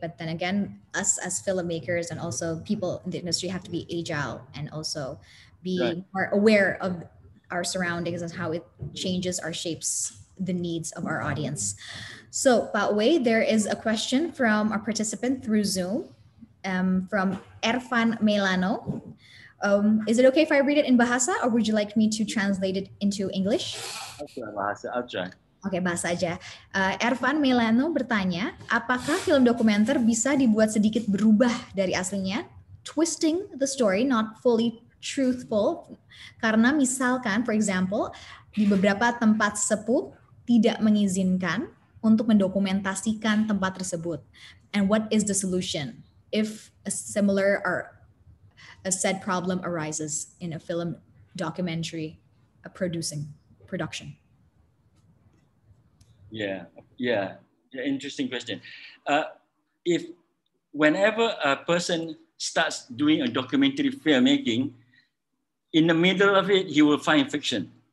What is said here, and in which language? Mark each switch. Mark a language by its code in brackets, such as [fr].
[en] But then again, us as filmmakers and also people in the industry have to be agile and also be more aware of our surroundings and how it changes or shapes the needs of our audience. So, Pawei, there is a question from a participant through Zoom, from Erfan Melano. Is it okay if I read it in Bahasa, or would you like me to translate it into English? [id] Okay, Bahasa aja. Okay, Bahasa aja. Erfan Melano bertanya, apakah film dokumenter bisa dibuat sedikit berubah dari aslinya, [en] twisting the story, not fully truthful, [id] karena misalkan, [en] for example, [id] di beberapa tempat sepuh tidak mengizinkan untuk mendokumentasikan tempat tersebut. [en] And what is the solution if a similar or a said problem arises in a film documentary a production? Yeah, interesting question. If whenever a person starts doing a documentary filmmaking, in the middle of it, he will find fiction.